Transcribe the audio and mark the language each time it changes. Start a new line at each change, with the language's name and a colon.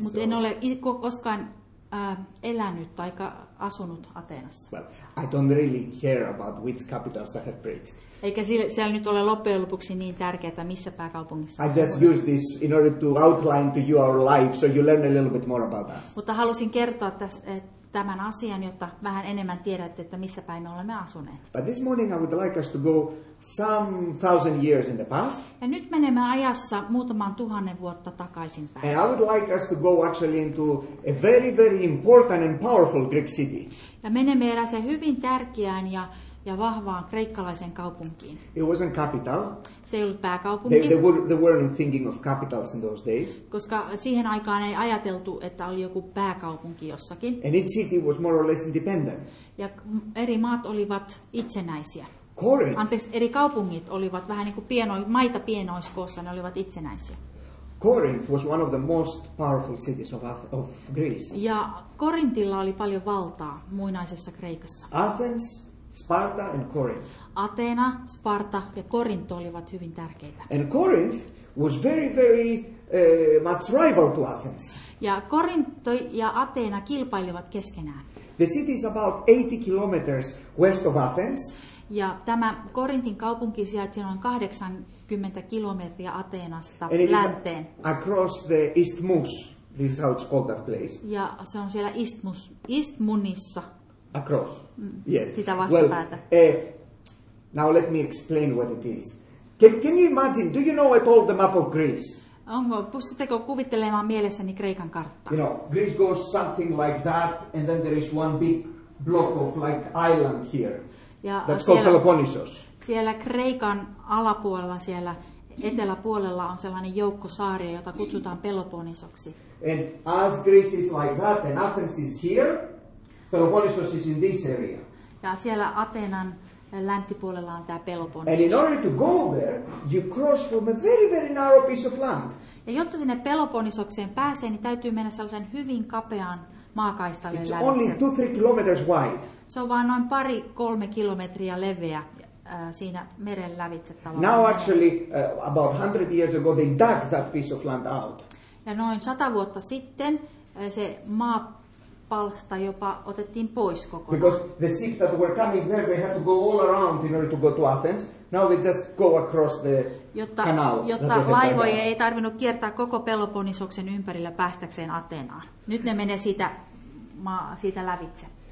Finnish: Mutta en ole koskaan elänyt tai asunut Ateenassa.
English: Well, I don't really care about which capitals I have preached.
Finnish: Eikä siellä nyt ole loppujen lopuksi niin tärkeää, missä pääkaupungissa.
English: I just use this in order to outline to you our life, so you learn a little bit more about us.
Finnish: Mutta halusin kertoa tämän asian, jotta vähän enemmän tiedätte, että missä päin me olemme asuneet.
English: But this morning I would like us to go some thousand years in the past.
Finnish: Ja nyt menemme ajassa muutaman tuhannen vuotta takaisin päin.
English: And I would like us to go actually into a very, very important and powerful Greek city.
Finnish: Ja menemme eräseen hyvin tärkeään ja vahvaan kreikkalaisen kaupunkiin.
English: It wasn't capital.
Finnish: Se ei ollut pääkaupunki.
English: They weren't thinking of capitals in those days.
Finnish: Koska siihen aikaan ei ajateltu, että oli joku pääkaupunki jossakin.
English: And each city was more or less independent.
Finnish: Ja eri maat olivat itsenäisiä.
English: Corinth.
Finnish: Anteeksi, eri kaupungit olivat vähän niin kuin maita pienoiskoossa, ne olivat itsenäisiä.
English: Corinth was one of the most powerful cities of Greece.
Finnish: Ja Korintilla oli paljon valtaa muinaisessa Kreikassa.
English: Athens, Sparta and Corinth.
Finnish: Ateena, Sparta ja Korinto olivat hyvin tärkeitä.
English: And Corinth was very, very much rival to Athens.
Finnish: Ja Korinto ja Ateena kilpailivat keskenään.
English: The city is about 80 kilometers west of Athens.
Finnish: Ja tämä Korintin kaupunki sijaitsee noin 80 kilometriä Ateenasta länteen.
English: Across the Isthmus. This is how it's called, that place.
Finnish: Ja se on siellä Isthmunissa.
English: Across, yes.
Finnish: Sitä vastapäätä.
English: Well, now let me explain what it is. Can you imagine, do you know at all the map of Greece?
Finnish: Onko, pystyttekö kuvittelemaan mielessäni Kreikan karttaa?
English: You know, Greece goes something like that, and then there is one big block of like island here.
Finnish: Ja
English: that's
Finnish: siellä,
English: called Peloponnesos.
Finnish: Siellä Kreikan alapuolella, siellä eteläpuolella on sellainen joukko saaria, jota kutsutaan Peloponnesoksi.
English: And as Greece is like that, and Athens is here, Peloponnesos is in this area.
Finnish: Ja siellä Ateenan länttipuolella on tämä Peloponnesos.
English: And in order to go there, you cross from a very, very narrow piece of land.
Finnish: Ja jotta sinne Peloponnesokseen pääsee, niin täytyy mennä sellaisen hyvin kapean maakaistalle.
English: It's only 2-3 kilometers wide.
Finnish: Se on vaan noin pari 3 kilometriä leveä siinä meren lävitse tavallaan.
English: Now actually, about 100 years ago, they dug that piece of land out.
Finnish: Ja noin 100 vuotta sitten se maa palsta jopa otettiin pois kokonaan.
English: Because the ships that were coming there, they had to go all around in order to go to Athens. Now they just go across the canal.
Finnish: Jotta laivoja ei tarvinnut kiertää koko Peloponnesoksen ympärillä päästäkseen Ateenaan. Nyt ne menee siitä lävitse.